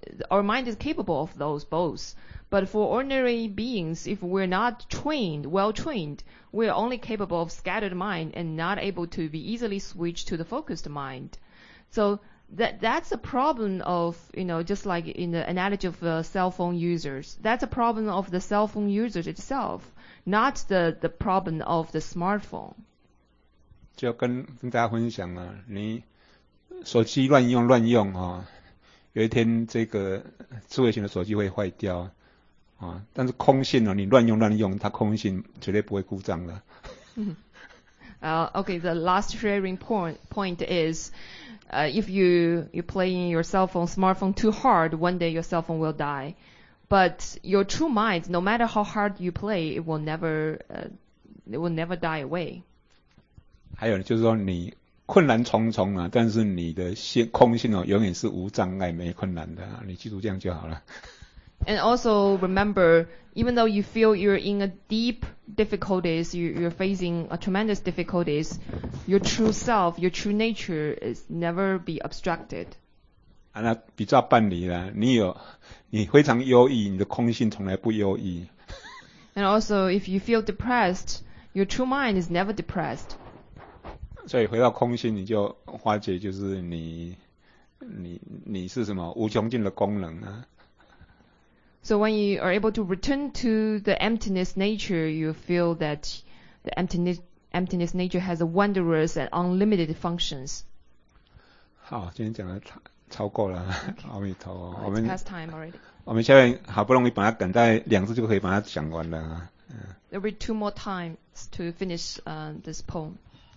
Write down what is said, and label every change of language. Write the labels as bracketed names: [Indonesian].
[English] our mind is capable of those both. But for ordinary beings, if we're not trained, well-trained, we're only capable of scattered mind and not able to be easily switched to the focused mind. So that's a problem of, you know, just like in the analogy of cell phone users. That's a problem of the cell phone users itself, not the problem of the smartphone. [Chinese] 就要跟大家分享啊，你手机乱用啊，有一天这个智慧型的手机会坏掉啊，但是空性啊，你乱用，它空性绝对不会故障的。 [English] Okay, the last sharing point is, if you playing your cell phone, smartphone too hard, one day your cell phone will die. But your true mind, no matter how hard you play, it will never die away. [Chinese] 还有就是说你困难重重啊，但是你的空性哦，永远是无障碍、没困难的、啊。你记住这样就好了。 [English] And also remember, even though you feel you're in a deep difficulties, you're facing a tremendous difficulties, your true self, your true nature is never be obstructed. [Chinese] 啊，那比较半离啦。你非常忧郁，你的空性从来不忧郁。 [English] And also, if you feel depressed, your true mind is never depressed. [Chinese] 所以回到空心，你就化解，就是你是什么无穷尽的功能啊。 [English] So when you are able to return to the emptiness nature, you feel that the emptiness nature has a wondrous and unlimited functions. [Chinese] 好，今天讲的超过了，阿弥陀佛。 [English] Okay. Oh, it's past time already. [Chinese] 我们下面好不容易把它等待两次，就可以把它讲完了。 [English] There will be two more times to finish this poem.